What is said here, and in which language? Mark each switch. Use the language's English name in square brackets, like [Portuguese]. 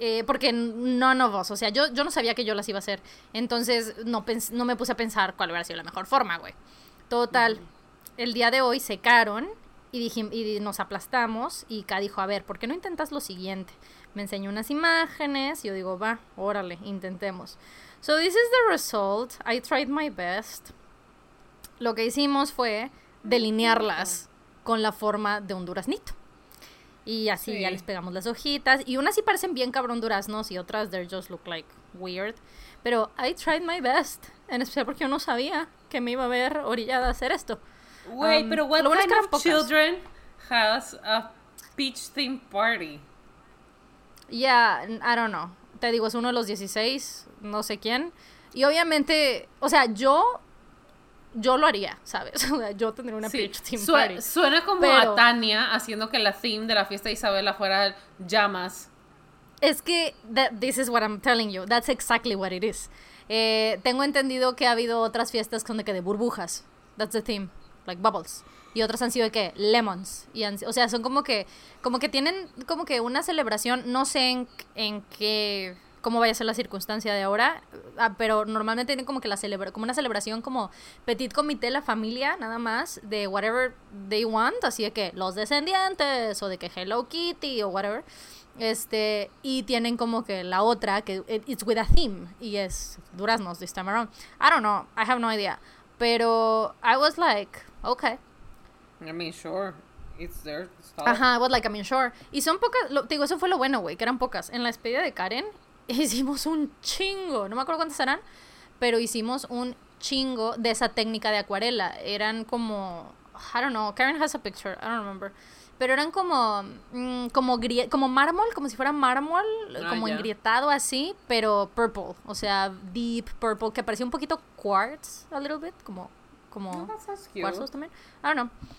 [Spanish] Porque [English] none of us, [Spanish] o sea, yo no sabía que yo las iba a hacer, entonces no me puse a pensar cuál hubiera sido la mejor forma, güey. Total, el día de hoy secaron y nos aplastamos y K dijo, a ver, ¿por qué no intentas lo siguiente? Me enseñó unas imágenes y yo digo, va, órale, intentemos. [English] So this is the result, I tried my best. [Spanish] Lo que hicimos fue delinearlas con la forma de un duraznito. Y así sí. Ya les pegamos las hojitas. Y unas sí parecen bien cabrón duraznos y otras [English] they just look like weird. [Spanish] Pero [English] I tried my best. [Spanish] En especial porque yo no sabía que me iba a ver orillada a hacer esto. Wey, pero [English] what kind of pocas. Children has a peach theme party? Yeah, I don't know. [Spanish] Te digo, es uno de los 16, no sé quién. Y obviamente, o sea, yo lo haría, ¿sabes? Yo tendría una [English] peach team party. [Spanish] Suena como pero, a Tania haciendo que la theme de la fiesta de Isabela fuera llamas. Es que [English] this is what I'm telling you. That's exactly what it is. [Spanish] Tengo entendido que ha habido otras fiestas con de burbujas. [English] That's the theme. Like bubbles. [Spanish] Y otras han sido de qué? [English] Lemons. [Spanish] O sea, son como que tienen como que una celebración. No sé en qué, cómo vaya a ser la circunstancia de ahora, pero normalmente tienen como que como una celebración, como petit comité, la familia, nada más, de [English] whatever they want, [Spanish] así de que los descendientes, o de que Hello Kitty, o whatever, y tienen como que la otra, que [English] it's with a theme, [Spanish] y es duraznos [English] this time around. I don't know, I have no idea, [Spanish] pero [English] I was like, okay. I mean, sure, it's their stuff. [Spanish] Ajá, [English] I was like, I mean, sure. [Spanish] Y son pocas, te digo, eso fue lo bueno, güey, que eran pocas. En la despedida de Karen, hicimos un chingo, no me acuerdo cuántas eran, pero hicimos un chingo de esa técnica de acuarela. Eran como, [English] I don't know, Karen has a picture, I don't remember, [Spanish] pero eran como como mármol, como si fuera mármol, como engrietado así, pero purple, o sea, [English] deep purple, [Spanish] que parecía un poquito quartz, [English] a little bit, [Spanish] como cuarzos también, [English] I don't know.